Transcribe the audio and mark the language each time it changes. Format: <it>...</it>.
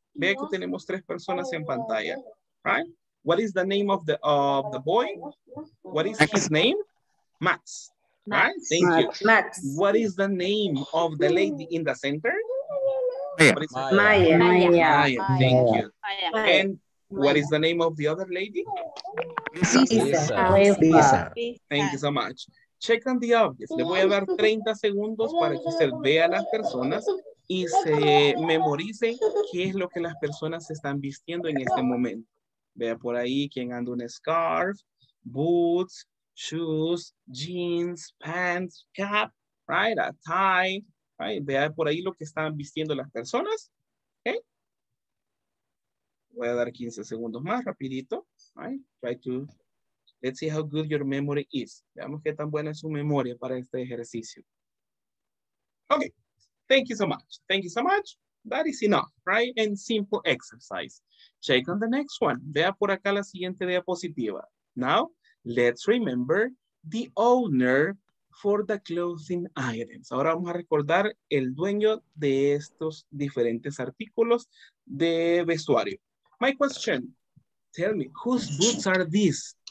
<es>Ve que tenemos tres personas en pantalla.</es> <en>Right? What is the name of the boy? What is his name? Max. Right? Thank you. Max. What is the name of the lady in the center? Maya. Thank you. And what is the name of the other lady? Lisa. Thank you so much. Check on the obvious.</en> <es>Le voy a dar 30 segundos para que usted vea a las personas y se memorice qué es lo que las personas están vistiendo en este momento. Vea por ahí quién anda un scarf, boots, shoes, jeans, pants, cap, right, a tie. Right? Vea por ahí lo que están vistiendo las personas. Okay. Voy a dar 15 segundos más rapidito.</es> <en>Right? Try to... Let's see how good your memory is.</en> <es>Veamos qué tan buena es su memoria para este ejercicio.</es> <en>Okay, thank you so much. That is enough, right? And simple exercise. Check on the next one.</en> <es>Vea por acá la siguiente diapositiva.</es> <en>Now, let's remember the owner for the clothing items.</en> <es>Ahora vamos a recordar el dueño de estos diferentes artículos de vestuario.</es> <en>My question, tell me, whose boots are these?</en>